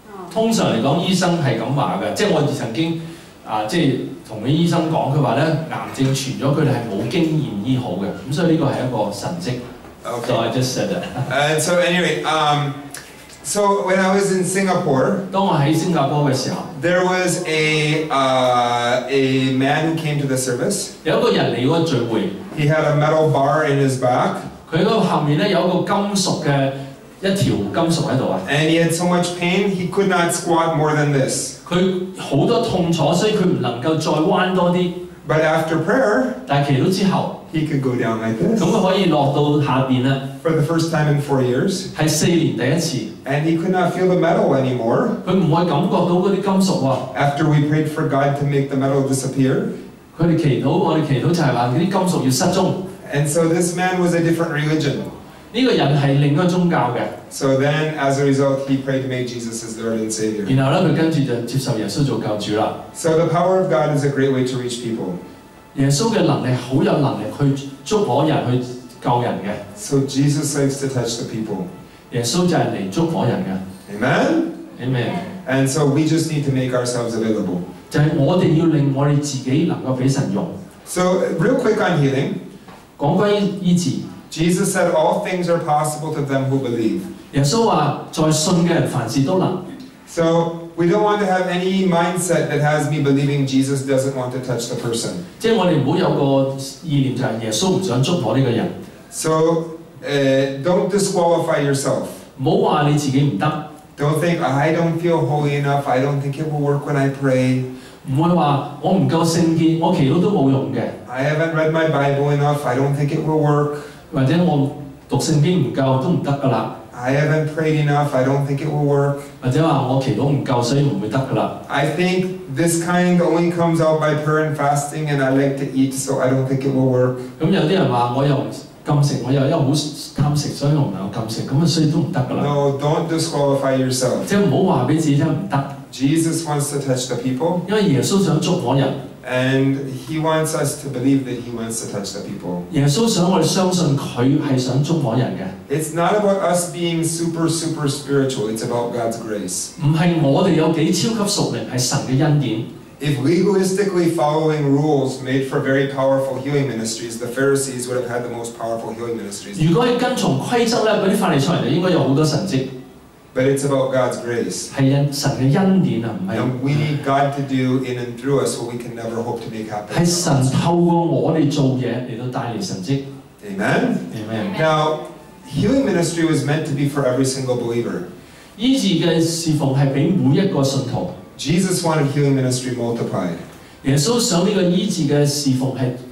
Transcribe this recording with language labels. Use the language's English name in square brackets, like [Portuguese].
[Cantonese] 通常嚟講，醫生係咁話嘅，即係我曾經啊，即係同啲醫生講，佢話咧癌症傳咗，佢哋係冇經驗醫好嘅，咁所以呢個係一個神蹟。 [English] Okay. So I just said that. So anyway, so when I was in Singapore, [Cantonese] 當我喺新加坡嘅時候 [English] ，there was a man who came to the service. [Cantonese] 有一個人嚟嗰個聚會。 [English] He had a metal bar in his back. [Cantonese] 佢嗰個後面咧有一個金屬嘅。一條金屬喺度啊 [English] ！And he had so much pain, he could not squat more than this. [Cantonese] 佢好多痛楚，所以佢唔能夠再彎多啲。 [English] But after prayer, [Cantonese] 但祈禱之後 [English] ，he could go down like this. [Cantonese] 咁佢可以落到下邊啦。 [English] For the first time in 4 years, [Cantonese] 係四年第一次。 [English] And he could not feel the metal anymore. [Cantonese] 佢唔會感覺到嗰啲金屬喎。 [English] After we prayed for God to make the metal disappear, [Cantonese] 佢哋祈禱，我哋祈禱就係話嗰啲金屬要失蹤。 [English] And so this man was a different religion. [Cantonese] 呢個人係另一個宗教嘅。 [English] So then, as a result, he prayed to make Jesus his Lord and Savior. [Cantonese] 然後咧，佢跟住就接受耶穌做救主啦。 [English] So the power of God is a great way to reach people. [Cantonese] 耶穌嘅能力好有能力去捉摸人去救人嘅。 [English] So Jesus likes to touch the people. [Cantonese] 耶穌就係嚟捉摸人嘅。 [English] Amen. Amen. And so we just need to make ourselves available. [Cantonese] 就係我哋要令我哋自己能夠俾神用。 [English] So real quick on healing. [Cantonese] 講關於醫治。 [English] Jesus said, "All things are possible to them who believe." [Cantonese] 耶穌話：在信嘅人凡事都能。 [English] So we don't want to have any mindset that has me believing Jesus doesn't want to touch the person. [Cantonese] 即係我哋唔好有個意念就係耶穌唔想觸摸呢個人。 [English] So don't disqualify yourself. [Cantonese] 唔好話你自己唔得。 [English] Don't think I don't feel holy enough. I don't think it will work when I pray. [Cantonese] 唔會話我唔夠聖潔，我祈禱都冇用嘅。 [English] I haven't read my Bible enough. I don't think it will work. [Cantonese] 或者我讀聖經唔夠都唔得噶啦。 [English] I haven't prayed enough. I don't think it will work. [Cantonese] 或者話我祈禱唔夠，所以唔會得噶啦。 [English] I think this kind only comes out by prayer and fasting, and I like to eat, so I don't think it will work. [Cantonese] 咁有啲人話我又禁食，我又因為好貪食，所以我唔能夠禁食，咁啊所以都唔得噶啦。 [English] No, don't disqualify yourself. [Cantonese] 即係唔好話俾自己聽唔得。 [English] Jesus wants to touch the people. [Cantonese] 因為耶穌想觸摸人。 [English] And he wants us to believe that he wants to touch the people. [Cantonese] 耶穌想我哋相信佢係想觸摸人嘅。 [English] It's not about us being super spiritual. It's about God's grace. [Cantonese] 唔係我哋有幾超級屬靈，係神嘅恩典。 [English] If legalistically following rules made for very powerful healing ministries, the Pharisees would have had the most powerful healing ministries. [Cantonese] 如果係跟從規則咧，嗰啲法利賽人就應該有好多神蹟。 [English] But it's about God's grace. [Cantonese] 係因神嘅恩典啊，唔係。 [English] And we need God to do in and through us what we can never hope to make happen. [Cantonese] 係神透過我哋做嘢嚟到帶嚟神蹟。 [English] Amen. Amen. Now, healing ministry was meant to be for every single believer. [Cantonese] 醫治嘅侍奉係俾每一個信徒。 [English] Jesus wanted healing ministry multiplied. [Cantonese] 耶穌想呢個醫治嘅侍奉係。